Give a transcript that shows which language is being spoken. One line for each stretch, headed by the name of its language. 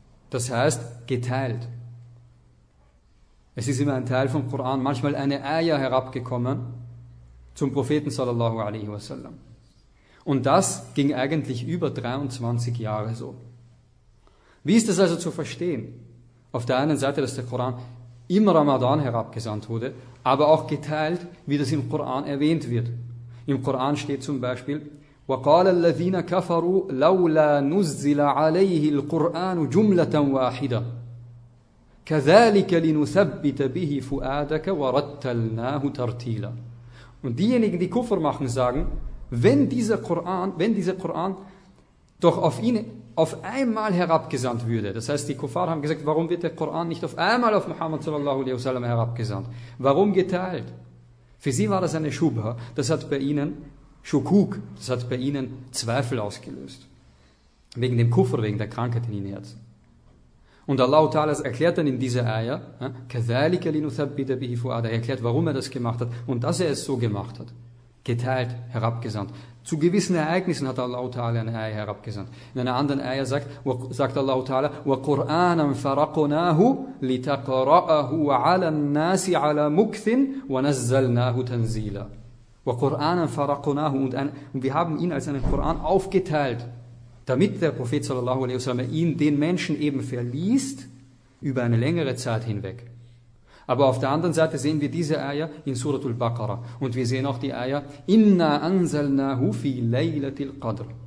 German: Das heißt, geteilt. Es ist immer ein Teil vom Koran, manchmal eine Ayah herabgekommen zum Propheten sallallahu alaihi wasallam. Und das ging eigentlich über 23 Jahre so. Wie ist das also zu verstehen? Auf der einen Seite, dass der Koran im Ramadan herabgesandt wurde, aber auch geteilt, wie das im Koran erwähnt wird. Im Koran steht zum Beispiel,
Arabic: وَقَالَ الَّذِينَ كَفَرُوا لَوْلَا نُزِّلَ عَلَيْهِ الْقُرْآنُ جُمْلَةً وَاحِدًا كَذَلِكَ لِنُثَبِّتَ بِهِ فُؤَادَكَ وَرَتَّلْنَاهُ تَرْتِيلًا.
German: Und diejenigen, die Kufr machen, sagen, wenn dieser Koran doch auf einmal herabgesandt würde, das heißt, die Kuffar haben gesagt, warum wird der Koran nicht auf einmal auf Muhammad sallallahu alaihi wasallam herabgesandt? Warum geteilt? Für sie war das eine Shubha, das hat bei ihnen Shukuk, das hat bei ihnen Zweifel ausgelöst. Wegen dem Kufr, wegen der Krankheit in ihren Herzen. Und Allah Ta'ala erklärt dann in dieser Ayah,
Arabic: كَذَلِكَ لِنُثَبِّتَ بِهِ فُؤَادَكَ,
German: er erklärt, warum er das gemacht hat und dass er es so gemacht hat. Geteilt, herabgesandt. Zu gewissen Ereignissen hat Allah Ta'ala eine Ayah herabgesandt. In einer anderen Ayah sagt Allah Ta'ala,
Arabic: وَقُرْآنًا فَرَقُنَاهُ لِتَقْرَأَهُ عَلَى النَّاسِ عَلَى مُكْثٍ وَنَزَّلْنَاهُ تَنْزِيلًا. وَقُرْآنًا فَرَقُنَاهُ,
German: und wir haben ihn als einen Koran aufgeteilt, damit der Prophet sallallahu alaihi wasallam ihn den Menschen eben verliest über eine längere Zeit hinweg. Aber auf der anderen Seite sehen wir diese Ayah in Surat al-Baqarah. Und wir sehen auch die Ayah,
Arabic: Inna anzalnahu fi laylatil qadr.